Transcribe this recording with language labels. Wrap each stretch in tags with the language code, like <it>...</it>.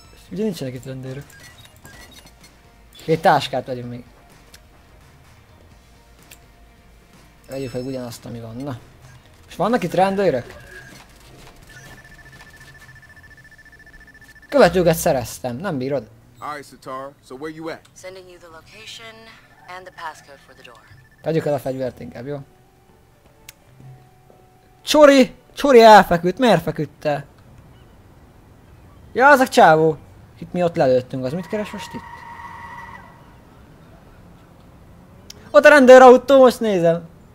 <hu>Ugye nincsenek itt rendőrök. Két táskát vegyünk még. Vegyük meg ugyanazt, ami van. Na. És vannak itt rendőrök? Követőket szereztem, nem bírod?</hu> <en>Alright, Sitar. So where you at? Sending you the location and the passcode for the door.</en> <hu>Tegyük el a fegyvert inkább, jó? Csori! Csori elfeküdt! Miért feküdt el? Ja, az a csávó! Itt mi ott lelőttünk, az mit keres most itt? Ott a rendőrautó, most nézem!</hu>